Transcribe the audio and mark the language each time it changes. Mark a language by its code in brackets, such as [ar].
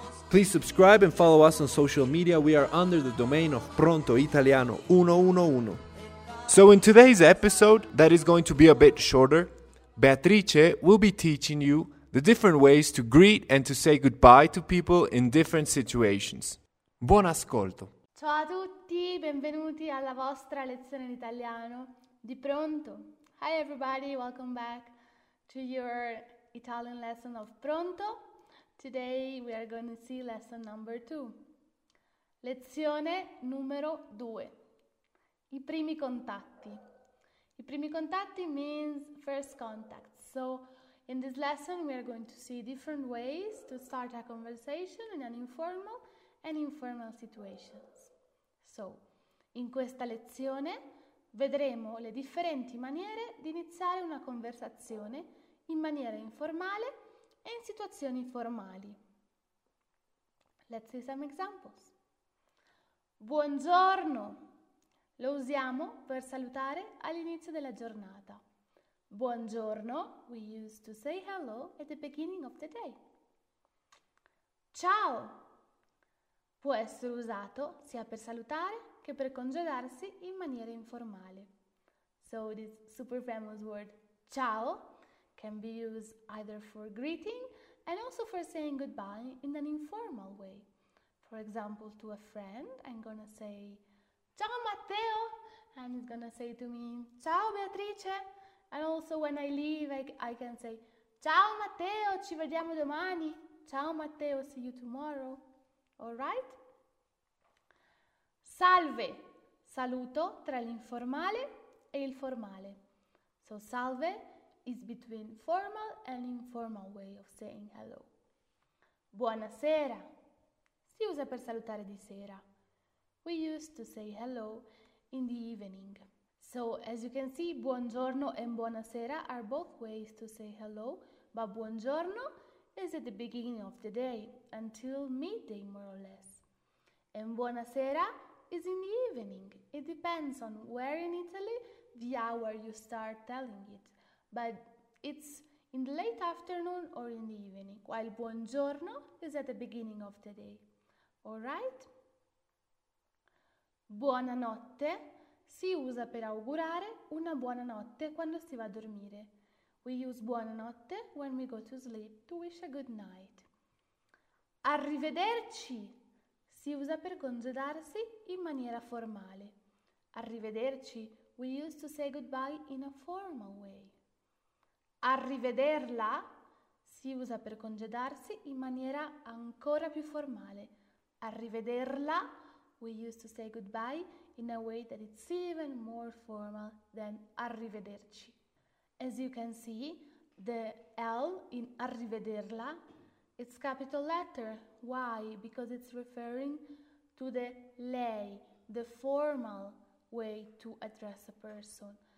[en] Please subscribe and follow us on social media. We are under the domain of Pronto Italiano 111. So in today's episode, that is going to be a bit shorter, Beatrice will be teaching you the different ways to greet and to say goodbye to people in different situations. [it] Buon ascolto! Ciao a tutti, benvenuti alla vostra lezione in italiano di Pronto. [en] Hi everybody, welcome back to your Italian lesson of Pronto. Today we are going to see lesson number 2. [it] Lezione numero 2. I primi contatti. I primi contatti [en] means first contact. So in this lesson we are going to see different ways to start a conversation in an informal and informal situations. [it] So in questa lezione vedremo le differenti maniere di iniziare una conversazione in maniera informale e in situazioni formali. [en] Let's see some examples. Buongiorno. [it] Lo usiamo per salutare all'inizio della giornata. [en] Buongiorno, we use to say hello at the beginning of the day. [it] Ciao, può essere usato sia per salutare che per congedarsi in maniera informale. [en] So this super famous word, ciao, can be used either for greeting and also for saying goodbye in an informal way. For example, to a friend, I'm gonna say, ciao Matteo! And he's gonna say to me, ciao Beatrice! And also when I leave, I can say, ciao Matteo, [it] ci vediamo domani! [en] Ciao Matteo, see you tomorrow! Alright? Salve! [it] Saluto tra l'informale e il formale. [en] So salve is between formal and informal way of saying hello. [it] Buonasera! Si usa per salutare di sera. [en] We used to say hello in the evening. So, as you can see, buongiorno and buonasera are both ways to say hello, but buongiorno is at the beginning of the day, until midday more or less. And buonasera is in the evening. It depends on where in Italy the hour you start telling it, but it's in the late afternoon or in the evening, while buongiorno is at the beginning of the day. All right? [it] Buonanotte si usa per augurare una buona notte quando si va a dormire. [en] We use buonanotte when we go to sleep to wish a good night. [it] Arrivederci si usa per congedarsi in maniera formale. [en] Arrivederci, we use to say goodbye in a formal way. [it] Arrivederla si usa per congedarsi in maniera ancora più formale. Arrivederla. [en] We used to say goodbye in a way that it's even more formal than arrivederci. As you can see, the L in arrivederla, it's capital letter. Why? Because it's referring to the lei, the formal way to address a person.